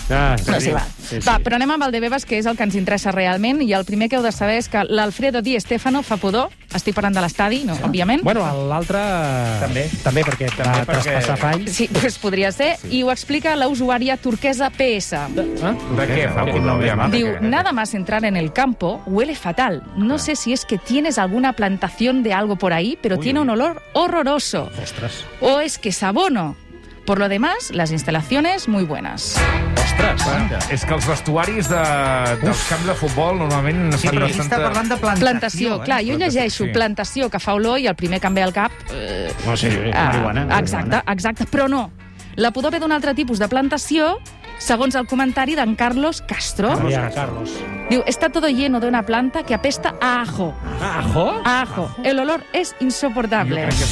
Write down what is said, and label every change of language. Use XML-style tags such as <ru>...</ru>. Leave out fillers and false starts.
<ca>No s'hi val. Sí, sí. Va, però anem amb el de Bebas, que és el que ens interessa realment. I el primer que heu de saber és que l'Alfredo Di Stéfano fa pudor. Estic parlant de l'estadi, no? Sí. Òbviament. Bueno, l'altre... També, perquè va traspassar fall. Sí, doncs podria ser. Sí. I ho explica la usuària turquesa PS. De què fa pudor?</ca> <es>Diu, nada más entrar en el campo, huele fatal. No sé si es que tienes alguna plantación de algo por ahí, pero tiene un olor horroroso.</es> <ca>Ostres.</ca> <es>O es que es abono. Por lo demás, las instalaciones muy buenas.</es> <ca>Ostres, ah, és que els vestuaris dels camps de futbol normalment... Sí, però aquí està parlant de plantació. Plantació, clar, jo llegeixo plantació que fa olor i el primer que em ve al cap... No, sí, marihuana. Exacte, però no. La pudor ve d'un altre tipus de plantació, segons el comentari d'en Carlos Castro. Carlos.</ca> <es>Diu, está todo lleno de una planta que apesta a ajo. ¿Ajo? A ajo. El olor es insoportable.</es>